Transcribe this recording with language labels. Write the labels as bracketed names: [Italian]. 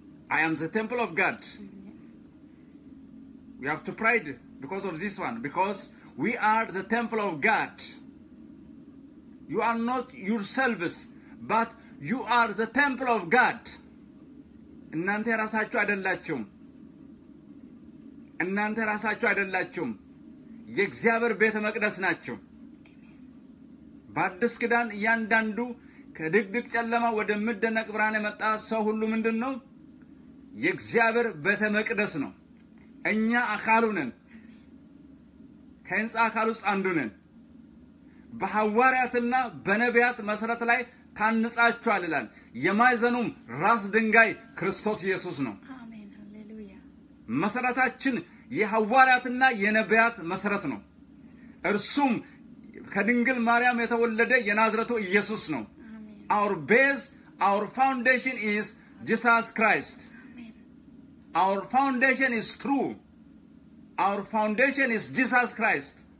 [English] I am the temple of God. We have to pray because of this one, because we are the temple of God. You are not yourselves, but you are the temple of God. [Amharic] እናንተ ራሳችሁ አይደላችሁም። እናንተ ራሳችሁ አይደላችሁም። የእግዚአብሔር ቤተ መቅደስ ናችሁ። በአዲስ ኪዳን ያንዳንዱ ከድግድግ ጨለማ ወደ ምደነቅ ብርሃን የመጣ ሰው ሁሉ ምንድነው? የእግዚአብሔር ቤተ መቅደስ ነው። እኛ አካሉ ነን። ከንጻ አካል ውስጥ አንዱ ነን። በሐዋርያትና በነቢያት መሰረት ላይ ታንጻችኋል ይላል። የማይዘኑም ራስ ድንጋይ ክርስቶስ ኢየሱስ ነው። አሜን። ሃሌሉያ። መሰረታችን የሐዋርያትና የነቢያት መሰረት ነው። እርሱም ከድንግል ማርያም የተወለደ የናዝረቱ ኢየሱስ ነው። አሜን። [English] Our base, our foundation is Jesus Christ. Our foundation is true. Our foundation is Jesus Christ.